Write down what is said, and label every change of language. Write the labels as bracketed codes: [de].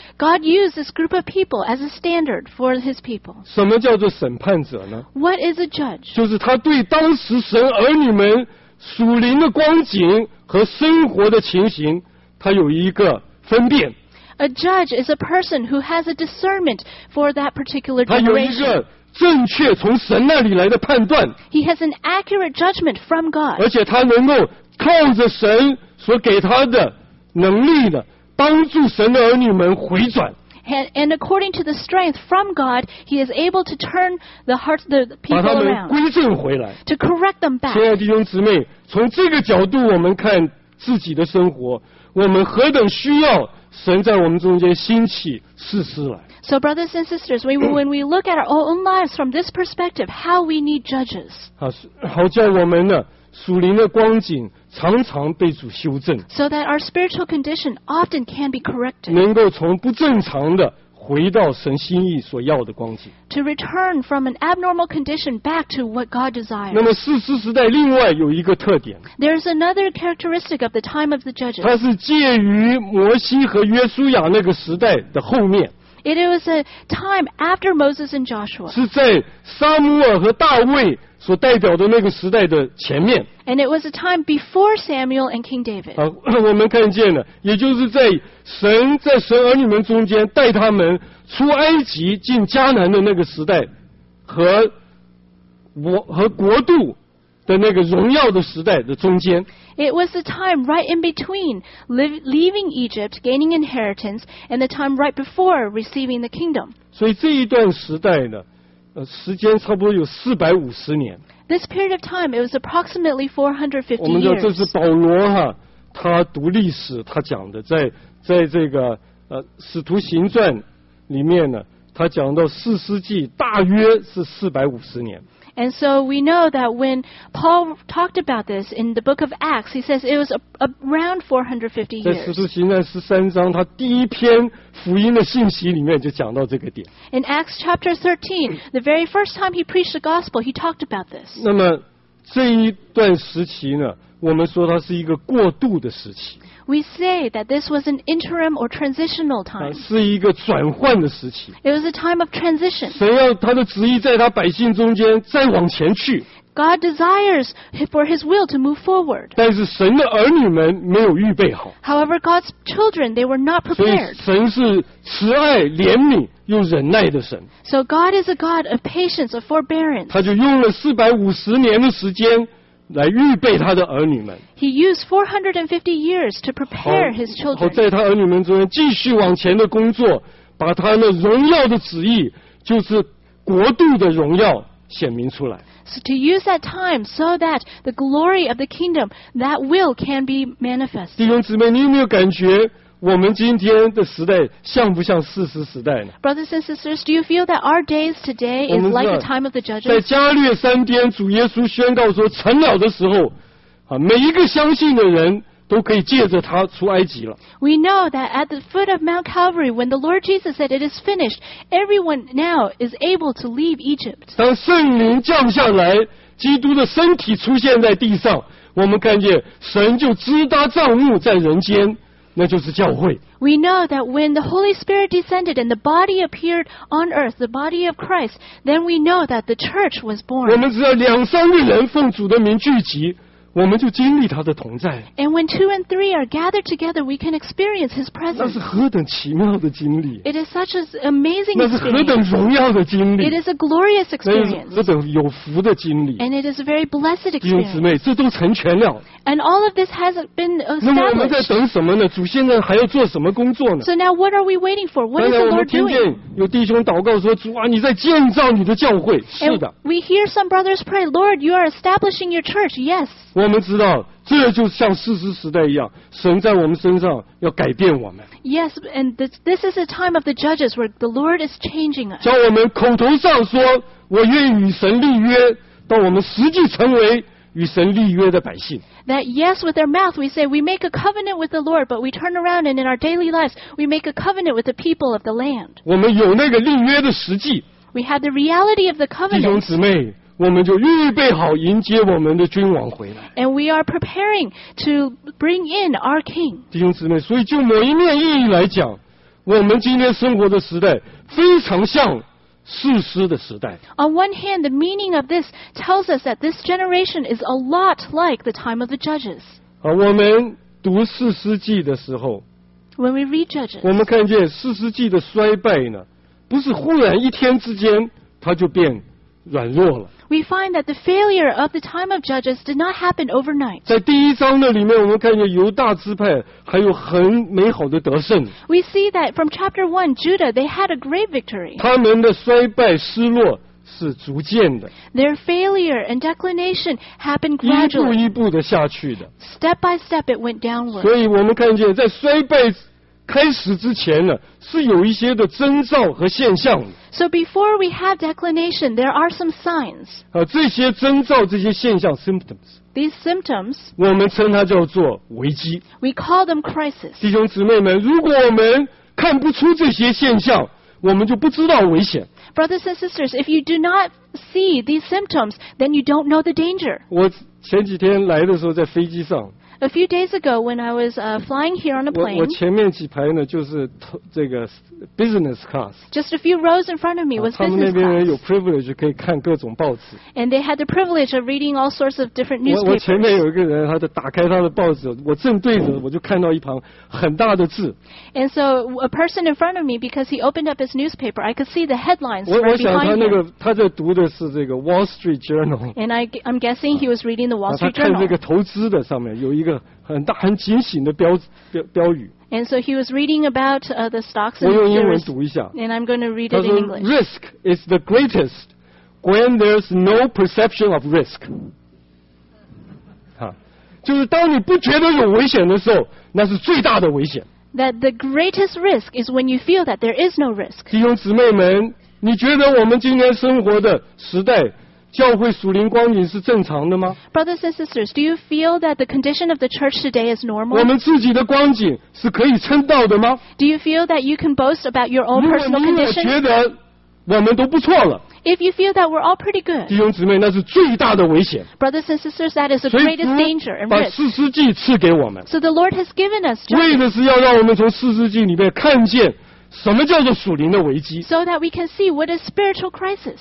[en] God used this group of people as a standard for His people. [zh] 什么叫做审判者呢 [en] ？What is a judge？ [zh] 就是他对当时神儿女们。属灵的光景和生活的情形，他有一个分辨。 [en] A judge is a person who has a discernment for that particular [zh] generation. 他有一个正确从神那里来的判断。 [en] He has an accurate judgment from God. [zh] 而且他能够靠着神所给他的能力的帮助神的儿女们回转。 [en] And according to the strength from God, he is able to turn the hearts of the people around. [zh] 把他们归正回来。 [en] To correct them back. [zh] 亲爱的弟兄姊妹，从这个角度我们看自己的生活，我们何等需要神在我们中间兴起士师来。 [en] So brothers and sisters, when we look at our own lives from this perspective, how we need judges. [zh] 好叫我们呢属灵的光景常常被主修正 [en] so that our spiritual condition often can be corrected [zh] 能够从不正常的回到神心意所要的光景 [en] to return from an abnormal condition back to what God desires [zh] 那么士师时代另外有一个特点 [en] there is another characteristic of the time of the judges [zh] 它是介于摩西和约书亚那个时代的后面 [en] it was a time after Moses and Joshua [zh] 是在撒母耳和大卫所代表的那个时代的前面 [en] and it was a time before Samuel and King David [zh] 我们看见了也就是在神儿女们中间带他们出埃及进迦南的那个时代和国度的那个荣耀的时代的中间 [en] it was the time right in between leaving Egypt gaining inheritance and the time right before receiving the kingdom [zh] 所以这一段时代呢时间差不多有四百五十年。 [en] This period of time, it was approximately 450 years. [zh] 我们知道这是保罗他读历史，他讲的在这个使徒行传里面呢，他讲到四世纪大约是四百五十年。 [en] And so we know that when Paul talked about this in the book of Acts, he says it was around 450 years. [zh] 在使徒行传十三章，他第一篇福音的信息里面就讲到这个点。 [en] In Acts chapter 13, the very first time he preached the gospel, he talked about this. [zh] 那么这一段时期呢，我们说它是一个过渡的时期。 [en] We say that this was an interim or transitional time. [zh] 是一个转换的时期。 [en] It was a time of transition. [zh] 神要他的旨意在他百姓中间再往前去。 [en] God desires for His will to move forward. [zh] 但是神的儿女们没有预备好。 [en] However, God's children, they were not prepared. [zh] 所以神是慈爱、怜悯又忍耐的神。 [en] So God is a God of patience, of forbearance. [zh] 他就用了四百五十年的时间。来预备他的儿女们。 [en] He used 450 years to prepare his children. [zh] 好，在他儿女们中间继续往前的工作，把他的荣耀的旨意，就是国度的荣耀显明出来。 [en] So to use that time so that the glory of the kingdom, that will can be manifested. [zh] 弟兄姊妹，你有没有感觉？我们今天的时代像不像士师时代呢 [en] ？Brothers and sisters, do you feel that our days today is like the time of the judges? [zh] 在加略三天，主耶稣宣告说成了的时候，每一个相信的人都可以借着他出埃及了。 [en] We know that at the foot of Mount Calvary, when the Lord Jesus said it is finished, everyone now is able to leave Egypt. [zh] 当圣灵降下来，基督的身体出现在地上，我们看见神就支搭帐幕在人间。那就是教会。 [en] We know that when the Holy Spirit descended and the body appeared on earth, the body of Christ, then we know that the church was born. [zh] 我们知道两三个人奉主的名聚集，我们就经历他的同在。 [en] And when two and three are gathered together, we can experience His presence. [zh] 那是何等奇妙的经历 [en] ！It is such an amazing experience. [zh] 那是何等荣耀的经历 [en] ！It is a glorious experience. [zh] 那是何等有福的经历 [en] ！And it is a very blessed experience. [zh] 弟兄姊妹，这都成全了。 [en] And all of this has been established. [zh] 那么我们在等什么呢？主现在还要做什么工作呢 [en] ？So now what are we waiting for? What is the Lord doing? [zh] 刚才我们听见有弟兄祷告说：“主啊，你在建造你的教会。” 是的。 [en] And、we hear some brothers pray, "Lord, you are establishing your church." Yes. [zh] 我们知道，这就像四世时代一样，神在我们身上要改变我们。 [en] Yes, and this is a time of the judges where the Lord is changing us. [zh] 叫我们口头上说我愿与神立约，到我们实际成为与神立约的百姓。 [en] That yes, with our mouth we say we make a covenant with the Lord, but we turn around and in our daily lives we make a covenant with the people of the land. [zh] 我们有那个立约的实际。 [en] We have the reality of the covenant. [zh] 弟兄姊妹。我们就预备好迎接我们的君王回来。 [en] And we are preparing to bring in our king. [zh] 弟兄姊妹，所以就某一面意义来讲，我们今天生活的时代非常像士师的时代。 [en] On one hand, the meaning of this tells us that this generation is a lot like the time of the judges. [zh] 我们读士师记的时候 [en] ，When we read Judges, [zh] 我们看见士师记的衰败呢，不是忽然一天之间它就变。软弱了。 [en] We find that the failure of the time of judges did not happen overnight. [zh] 在第一章那里面，我们看见犹大支派还有很美好的得胜。 [en] We see that from chapter 1, Judah, they had a great victory. [zh] 他们的衰败失落是逐渐的。 [en] Their failure and declination happened gradually. [zh] 一步一步的下去的。 [en] Step by step, it went downward. [zh] 所以我们看见在衰败开始之前呢，是有一些的征兆和现象的。 [en] So before we have declination, there are some signs. [zh] 这些征兆、这些现象 symptoms. [en] These symptoms. [zh] 我们称它叫做危机。 [en] We call them crisis. [zh] 弟兄姊妹们，如果我们看不出这些现象，我们就不知道危险。 [en] Brothers and sisters, if you do not see these symptoms, then you don't know the danger. [zh] 我前几天来的时候在飞机上。 [en] A few days ago, when I was flying here on a plane, [zh] 我前面几排呢就是这个 business class. [en] Just a few rows in front of me was business class. [zh] 他们那边有 privilege 可以看各种报纸。 [en] And they had the privilege of reading all sorts of different newspapers. [zh] 我前面有一个人，他就打开他的报纸，我正对着，我就看到一旁很大的字。 [en] And so a person in front of me, because he opened up his newspaper, I could see the headlines. [zh] 我想他那个他在读的是这个 Wall Street Journal. [en] And I'm guessing he was reading the Wall Street Journal. [zh] 他看这个投资的上面有一个。很大很警醒的 标语 [en] And so he was reading about the stocks and [zh] 我用英文读一下 [en] And I'm going to read it in English [zh] 他说 [en] Risk is the greatest when there's no perception of risk [zh] 就是当你不觉得有危险的时候那是最大的危险 [en] That the greatest risk is when you feel that there is no risk [zh] 弟兄姊妹们你觉得我们今天生活的时代教会属灵光景是正常的吗 [en] ？Brothers and sisters, do you feel that the condition of the church today is normal? [zh] 我们自己的光景是可以称道的吗 [en] ？Do you feel that you can boast about your own personal condition? [zh] 如果你觉得我们都不错了 [en] ，If you feel that we're all pretty good, [zh] 弟兄姊妹，那是最大的危险。 [en] Brothers and sisters, that is the greatest danger and risk. [zh] 把士师记赐给我们 [en] ，So the Lord has given us. [zh] 为的是要让我们从士师记里面看见。什么叫做属灵的危机 [en] ？So that we can see what is spiritual crisis.